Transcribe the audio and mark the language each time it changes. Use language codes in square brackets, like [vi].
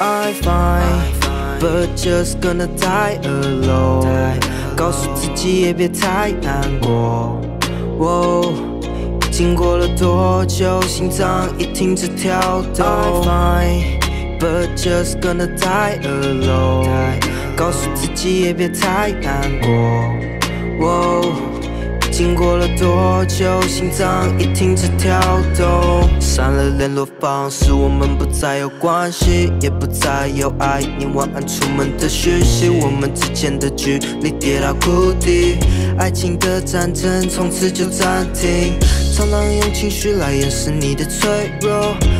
[en] I find, but just gonna die alone. [zh] 告诉自己也别太难过。 Whoa, 经过了多久，心脏已停止跳动。 [en] I find, but just gonna die alone. [zh] 告诉自己也别太难过。 Whoa, 经过了多久，心脏已停止跳动。删了联络方式，我们不再有关系，也不再有爱你晚安出门的讯息，我们之间的距离跌到谷底，爱情的战争从此就暂停，常常用情绪来掩饰你的脆弱，